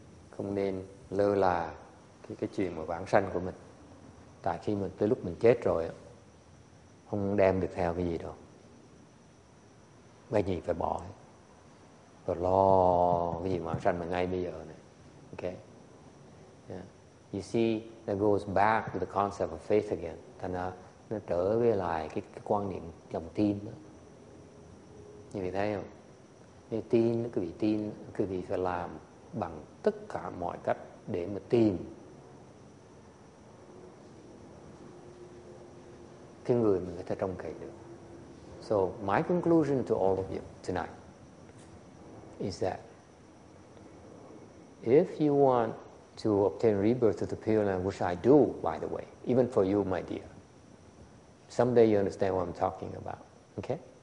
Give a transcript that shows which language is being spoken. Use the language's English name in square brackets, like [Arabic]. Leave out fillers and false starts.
[Vietnamese] Không nên lơ là cái chuyện mà vãng sanh của mình. Tại khi mình tới lúc mình chết rồi, không đem được theo cái gì đâu. Cái gì phải bỏ hết. Rồi lo cái gì mà sanh mà ngay bây giờ này. [English] Okay. Yeah. You see, that goes back to the concept of faith again. [Vietnamese] Thành ra, nó trở về lại cái quan niệm lòng tin đó. Như vị thấy không? Như tin, quý vị tin, quý vị phải làm bằng tất cả mọi cách để mà tìm cái người mà người ta trông cậy được. [English] So, my conclusion to all of you tonight is that if you want to obtain rebirth of the Pure Land, which I do, by the way, even for you, my dear, someday you understand what I'm talking about, okay?